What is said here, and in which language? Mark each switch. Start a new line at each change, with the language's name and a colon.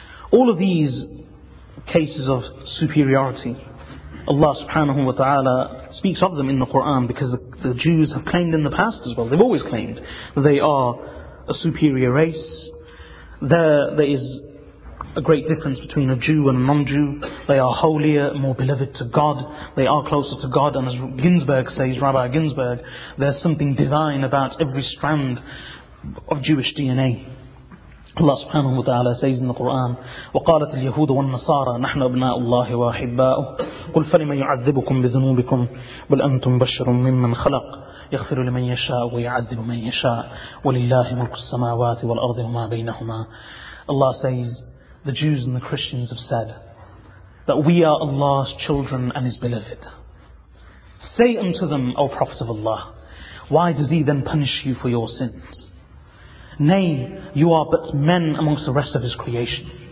English: All of these cases of superiority, Allah subhanahu wa ta'ala speaks of them in the Quran, because the Jews have claimed in the past as well, they've always claimed that they are a superior race, There is a great difference between a Jew and a non-Jew. They are holier, more beloved to God. They are closer to God. And as Ginsberg says, Rabbi Ginsberg, there's something divine about every strand of Jewish DNA. Allah subhanahu wa ta'ala says in the Quran,
Arabic: وَقَالَتِ الْيَهُودُ وَالنَّصَارَى نَحْنُ أَبْنَاءُ اللَّهِ وَأَحِبَّاؤُهُ قُلْ فَلِمَ يُعَذِّبُكُمْ بِذُنُوبِكُمْ بَلْ أَنْتُمْ بَشَرٌ مِّمَّنْ خَلَقَ يغفر لمن يشاء ويعذب من يشاء ولله ملك السماوات والأرض وما بينهما.
English: Allah says, the Jews and the Christians have said that we are Allah's children and His beloved. Say unto them, O Prophet of Allah, why does He then punish you for your sins? Nay, you are but men amongst the rest of His creation.